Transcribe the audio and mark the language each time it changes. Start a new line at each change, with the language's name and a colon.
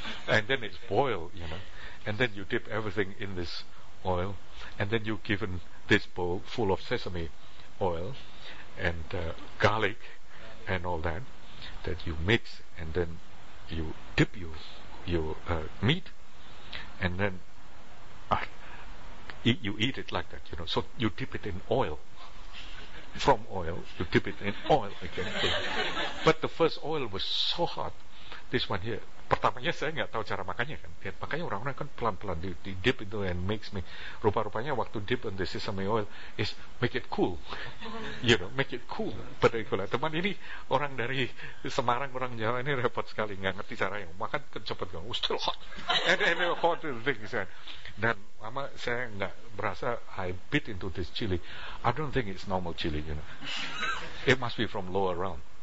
English: And then it's boiled, you know. And then you dip everything in this oil, and then you given this bowl full of sesame oil and garlic and all that, that you mix, and then you dip your meat, and then you eat it like that, you know. So you dip it in oil, from oil you dip it in oil again. But the first oil was so hot. This one here,
Indonesian: pertamanya saya nggak tahu cara makannya kan, makanya orang-orang kan pelan-pelan di dip itu
English: and mix me.
Indonesian: Rupa-rupanya waktu
English: dip in the sesame oil is make it cool, you know, make it cool.
Indonesian: Berikutnya teman ini orang dari Semarang, orang Jawa ini repot sekali, nggak ngerti caranya. Makan kecepet kan,
English: still hot, and hot things.
Indonesian: Dan lama saya nggak berasa
English: I bit into this chili. I don't think it's normal chili, you know. It must be from lower realm.